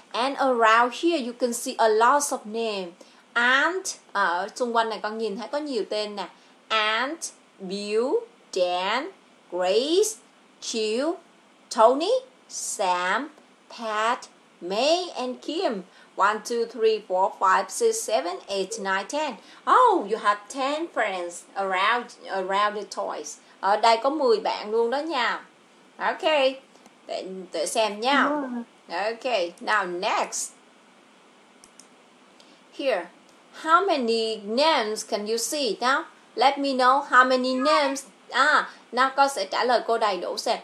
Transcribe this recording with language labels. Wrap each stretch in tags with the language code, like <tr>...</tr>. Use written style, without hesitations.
<en>And around here, you can see a lot of name. Aunt.</en> <vi>Xung quanh này con nhìn thấy có nhiều tên nè.</vi> <en>Aunt, Bill, Dan, Grace, Jill, Tony, Sam, Pat, May, and Kim. 1, 2, 3, 4, 5, 6, 7, 8, 9, 10. Oh, you have 10 friends around the toys.</en> <vi>Ở đây có 10 bạn luôn đó nha. Okay, để xem nha.</vi> <en>Okay, now next. Here, how many names can you see now? Let me know how many names.</en> <vi>Now con sẽ trả lời cô đầy đủ xem.</vi>